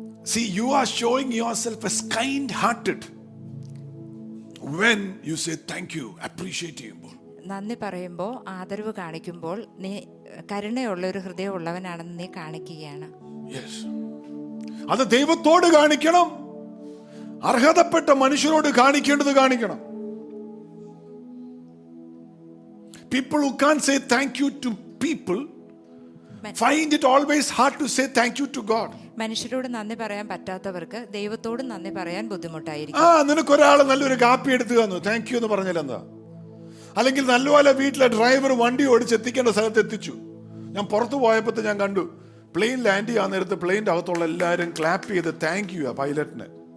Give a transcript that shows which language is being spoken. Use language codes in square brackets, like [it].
[en] See, you are showing yourself as kind-hearted when you say thank you, appreciate him. [ml] നന്ദി പറയുമ്പോൾ, ആദരവ് കാണിക്കുമ്പോൾ നീ കരുണയുള്ള ഒരു ഹൃദയം ഉള്ളവനാണെന്ന് നീ കാണിക്കുകയാണ്. [en] Yes. [ml] അത് ദൈവത്തോട് കാണിക്കണം, അർഹതപ്പെട്ട മനുഷ്യരോട് കാണിക്കേണ്ടത് കാണിക്കണം. [en] People who can't say thank you to people find it always hard to say thank you to God. [ml] മനുഷ്യരോട് നന്ദി പറയാൻ പറ്റാത്തവർക്ക് ദൈവത്തോട് നന്ദി പറയാൻ ബുദ്ധിമുട്ടായിരിക്കും. ആ, നിനക്ക് ഒരാൾ നല്ലൊരു കാപ്പി എടുത്തു തന്നു, താങ്ക് യു എന്ന് പറഞ്ഞല്ലോ. അല്ലെങ്കിൽ നല്ലപോലെ വീട്ടിലെ ഡ്രൈവർ വണ്ടി ഓടിച്ച് എത്തിക്കേണ്ട സ്ഥലത്ത് എത്തിച്ചു. ഞാൻ പുറത്തു പോയപ്പോൾ ഞാൻ കണ്ടു, പ്ലെയിൻ ലാൻഡ് ചെയ്യാൻ നേരത്ത് പ്ലെയിൻ്റെ അകത്തുള്ള എല്ലാവരും ക്ലാപ്പ് ചെയ്ത് താങ്ക് യു ആ പൈലറ്റിന്.